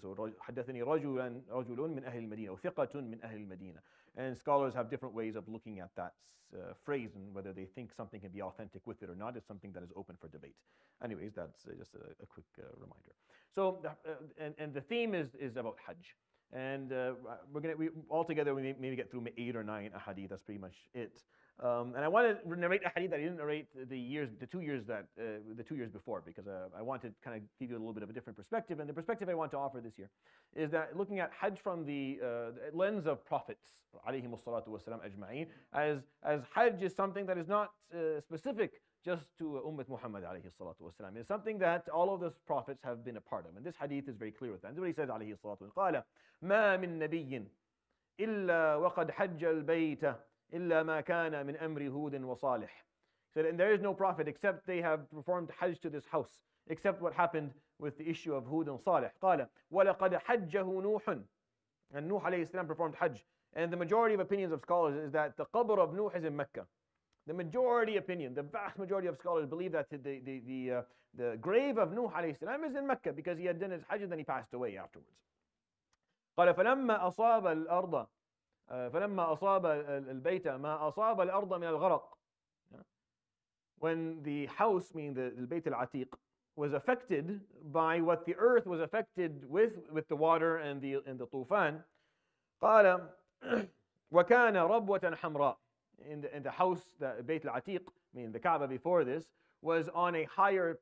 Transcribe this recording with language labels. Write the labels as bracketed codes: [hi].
[en] So, [ar] حدثني رجل من أهل المدينة وثقة من أهل المدينة. [en] And scholars have different ways of looking at that phrase and whether they think something can be authentic with it or not. It's something that is open for debate. Anyways, that's just a quick reminder. So, and the theme is about Hajj. And we're gonna maybe get through 8 or 9 ahadith. That's pretty much it. And I want to narrate a hadith that I didn't narrate the two years before, because I wanted to kind of give you a little bit of a different perspective. And the perspective I want to offer this year is that looking at Hajj from the lens of prophets, alayhi salatu wasalam ajma'in, as Hajj is something that is not specific just to Ummat Muhammad alayhi salatu wasalam. It's something that all of those prophets have been a part of. And this hadith is very clear with that. And what he says, alayhi salatu wasalam, [ar] قَالَ مَا مِن نَبِيٍ إِلَّا وَقَدْ حَجَّ الْبَيْتَ إِلَّا مَا كَانَ مِنْ أَمْرِ هُودٍ وَصَالِحٍ. [en] He said, and there is no prophet except they have performed Hajj to this house, except what happened with the issue of Hud and Salih. [ar] قَالَ وَلَقَدْ حَجَّهُ نُوحٌ. [en] And Nuh alayhi salam performed Hajj. And the majority of opinions of scholars is that the qabr of Nuh is in Mecca. The majority opinion, the vast majority of scholars believe that the grave of Nuh alayhi salam is in Mecca, because he had done his Hajj and then he passed away afterwards. [ar] قَالَ فَلَمَّا أَصَابَ الْأَرْضَ فلما أصاب البيت ما أصاب الأرض من الغرق. [en] When the house, meaning the البيت العتيق, was affected by what the earth was affected with the water and the طوفان. [ar] قال وكان ربوة حمراء. [en] In the house, the البيت العتيق, meaning the Kaaba before this, was on a higher.